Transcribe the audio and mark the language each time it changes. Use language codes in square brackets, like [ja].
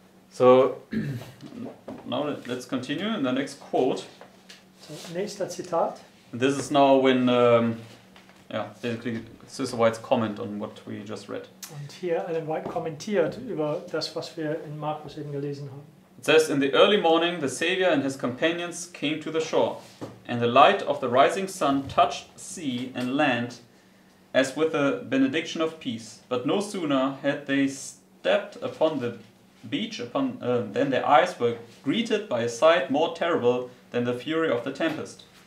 [en] So now let's continue in the next quote. [de] So, nächster Zitat. [en] This is now when, basically, Sister White's comment on what we just read. [de] Und hier Ellen White kommentiert über das, was wir in Markus eben gelesen haben. [en] It says, In the early morning, the Savior and his companions came to the shore, and the light of the rising sun touched sea and land as with a benediction of peace. But no sooner had they stepped upon the beach then their eyes were greeted by a sight more terrible than the fury of the tempest.